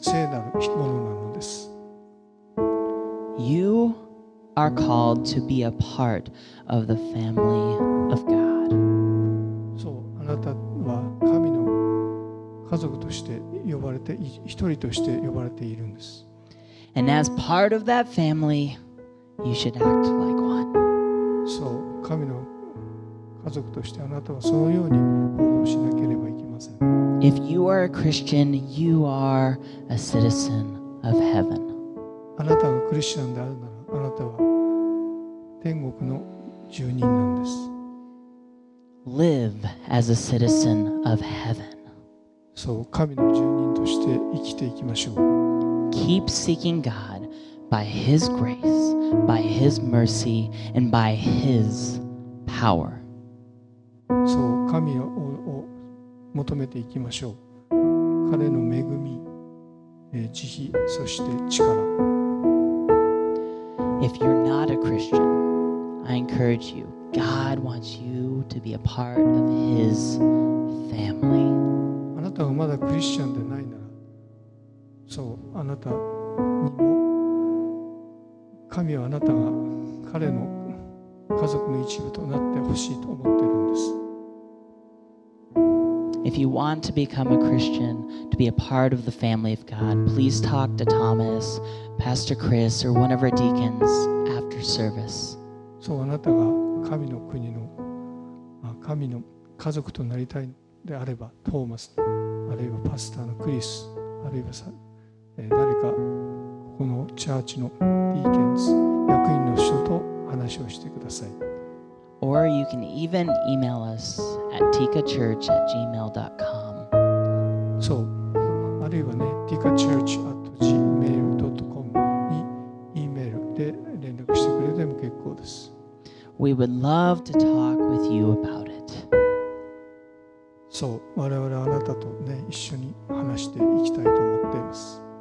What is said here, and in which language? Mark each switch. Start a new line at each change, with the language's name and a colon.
Japanese: 聖なるものなのです。
English: You are called to be a part of the family of God.
Japanese: そう、あなたは神の家族として呼ばれて、一人として呼ばれているんです。
English: And as part of that family, you should act like one.
Japanese: そう、神の家族としてあなたはそのように行動しなければいけません。
English: If you are a Christian, you are a citizen of heaven.
Japanese: あなたがクリスチャンであるなら、あなたは天国の住人なんです。
English: Live as a citizen of heaven.
Japanese: そう、神の住人として生きていきましょう。
English: Keep seeking God by His grace, by His mercy, and by His power.
Japanese: そう、神を求めていきましょう。彼の恵み、慈悲、そして力。
English: If you're not a Christian, I encourage you. God wants you to be a part of His family.
Japanese: あなたがまだクリスチャンでないなら、そう、あなたにも神はあなたが彼の家族の一部となってほしいと思っているんです。
English: If you want to become a Christian, to be a part of the family of God, please talk to Thomas, Pastor Chris, or one of our deacons after service.
Japanese: そう、あなたが神の国の、神の家族となりたいであれば、トーマス、あるいはパスターのクリス、あるいは誰か、このチャーチのディーケンズ役員の人と話をしてください。
English: Or you can even email us at tikachurch@gmail.com.
Japanese: そう、あるいはね、tikachurch@gmail.com に email で連絡してくれても結構です。
English: We would love to talk with you about it.
Japanese: そう、我々あなたとね、一緒に話していきたいと思っています。